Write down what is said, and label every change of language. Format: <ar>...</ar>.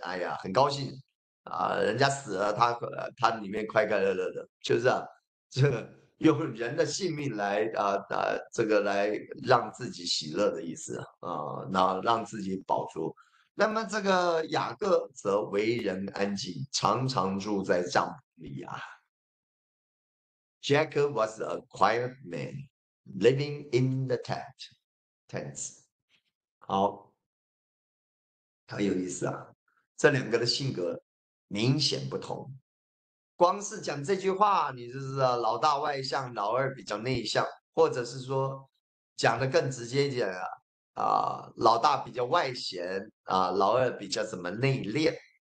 <zh>哎呀，很高兴啊，人家死了，他里面快快乐乐的，就是啊，这个。用人的性命来这个来让自己喜乐的意思啊，那让自己饱足。那么这个雅各则为人安静，常常住在帐篷里啊。</zh> <en>Jacob was a quiet man, living in the tents.</en> <zh>好，很有意思啊，这两个的性格明显不同。光是讲这句话，你就知道老大外向，老二比较内向，或者是说讲得更直接一点啊，老大比较外显啊，老二比较怎么内敛。</zh>